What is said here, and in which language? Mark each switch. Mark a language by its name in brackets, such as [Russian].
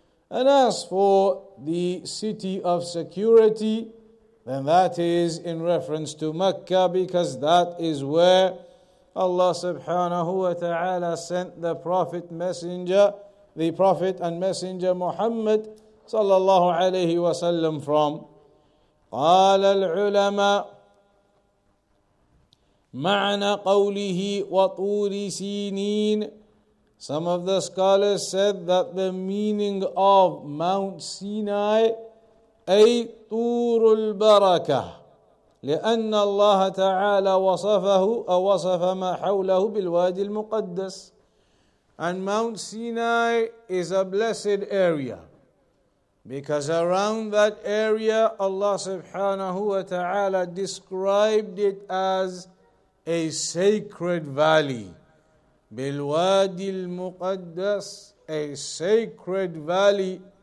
[English] And as for the city of security, then that is in reference to Mecca, because that is where Allah subhanahu wa ta'ala sent the prophet and messenger Muhammad sallallahu alayhi wa sallam from. [Arabic] قَالَ الْعُلَمَاءُ معنى قوله وطور سينين. [English] Some of the scholars said that the meaning of Mount Sinai, [Arabic] أي طور البركة, لأن الله تعالى وصفه أو وصف ما حوله بالوادي المقدس. [English] And Mount Sinai is a blessed area, Because around that area, Allah subhanahu wa ta'ala described it as a sacred valley. [Arabic] بالوادي المقدس, [English] a sacred valley.